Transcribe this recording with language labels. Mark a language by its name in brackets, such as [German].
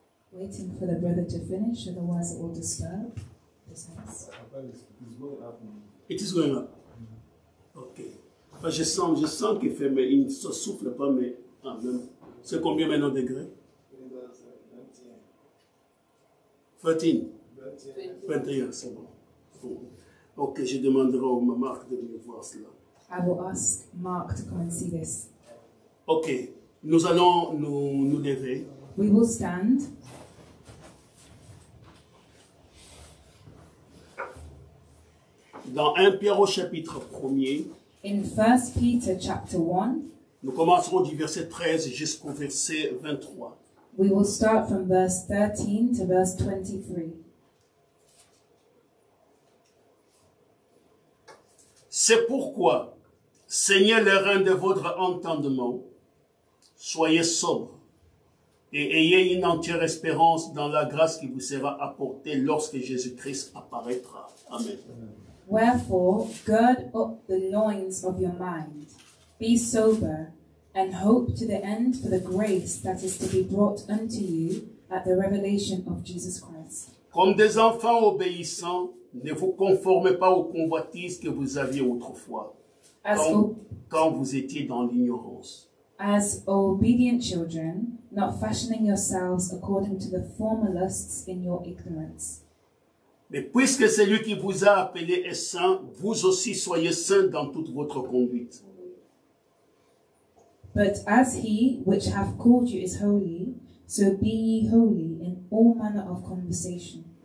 [English] Waiting for the brother to finish, otherwise it will disturb this house. It is going up. Okay. [French] Ah, je sens qu'il fait, mais il ne souffle pas, mais en même. C'est combien maintenant degrés? 13. 21, c'est bon. Okay, je demanderai au Marc de venir voir cela. [English] I will ask Mark to come and see this. [French] Okay. Nous allons nous lever. [English] We will stand. [French] Dans 1 Pierre au chapitre 1er. [English] In 1 Peter chapter 1. [French] Nous commencerons du verset 13 jusqu'au verset 23. [English] We will start from verse 13 to verse 23. [French] C'est pourquoi, ceignez les reins de votre entendement, soyez sobres et ayez une entière espérance dans la grâce qui vous sera apportée lorsque Jésus-Christ apparaîtra. Amen. [English] Wherefore, gird up the loins of your mind, be sober, and hope to the end for the grace that is to be brought unto you at the revelation of Jesus Christ. [French] Comme des enfants obéissants, ne vous conformez pas aux convoitises que vous aviez autrefois, quand vous étiez dans l'ignorance. [English] As obedient children, not fashioning yourselves according to the former lusts in your ignorance. [French] Mais puisque celui qui vous a appelé est saint, vous aussi soyez saints dans toute votre conduite. [English] But as he which hath called you is holy, so be ye holy in all manner of conversation.